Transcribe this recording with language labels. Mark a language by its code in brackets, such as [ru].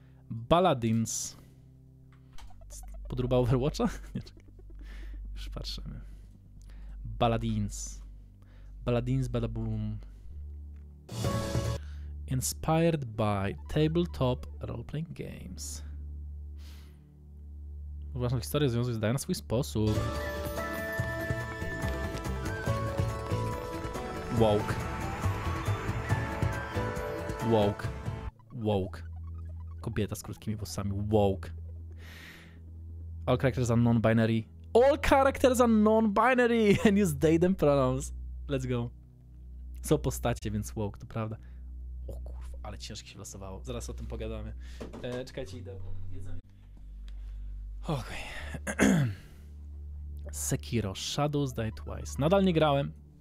[pl] Baladins. Podróba Overwatcha? Nie, czekaj. Już patrzymy. Baladins badaboom. [en] Inspired by tabletop roleplaying games. [pl] Uważam, historię związku zdaje na swój sposób. Woke. Woke. Woke. Kobieta z krótkimi włosami. Woke. [en] All characters are non-binary. All characters are non-binary and use they, them pronouns. Let's go. [pl] Są postacie, więc woke, to prawda. O kurwa, ale ciężko się losowało. Zaraz o tym pogadamy. Czekajcie, idę. Okej. Sekiro Shadows Die Twice. Nadal nie grałem.